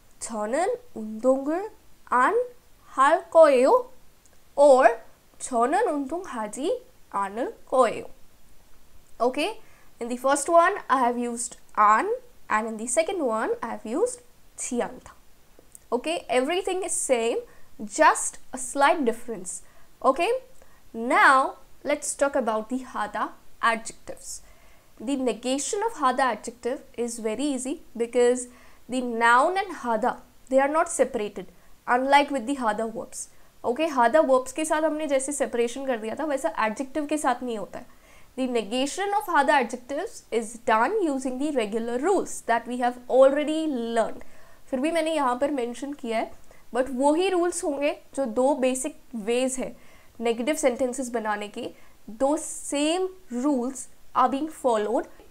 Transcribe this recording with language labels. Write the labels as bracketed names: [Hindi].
[Korean] 저는 운동을 안 할 거예요 or 저는 운동하지 않을 거예요. [English] Okay, in the first one I have used 안 and in the second one I have used 지 않다. Okay, everything is same, just a slight difference. Okay, now let's talk about the hada adjectives. The negation of hada adjective is very easy because the noun and hada, they are not separated unlike with the other verbs. [Hindi] Okay, हादर verbs के साथ हमने जैसे separation कर दिया था वैसा एडजेक्टिव के साथ नहीं होता है. [English] The negation of other adjectives is done using the regular rules that we have already learned. [Hindi] फिर भी मैंने यहाँ पर mention किया है, but वो ही rules होंगे जो दो basic ways है negative sentences बनाने के. [English] Those same rules are being followed.